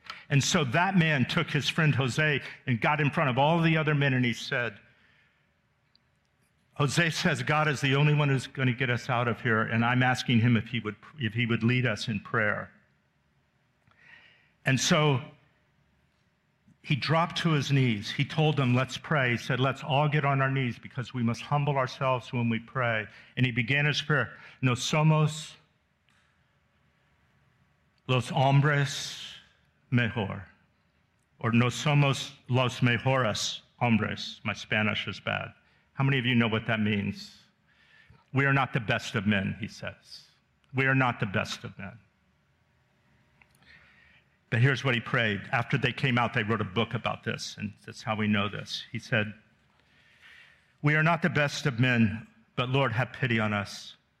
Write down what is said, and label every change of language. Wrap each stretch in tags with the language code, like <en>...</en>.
<en>And so that man took his friend Jose and got in front of all the other men and he said, Jose says God is the only one who's going to get us out of here, and I'm asking him if he would lead us in prayer. And so he dropped to his knees. He told them, let's pray. He said, let's all get on our knees because we must humble ourselves when we pray. And he began his prayer.</en> <es>Nos somos los hombres mejor. Or nos somos los mejores hombres.</es> <en>My Spanish is bad. How many of you know what that means? We are not the best of men, he says. We are not the best of men. But here's what he prayed. After they came out, they wrote a book about this, and that's how we know this. He said, we are not the best of men, but Lord, have pity on us.</en>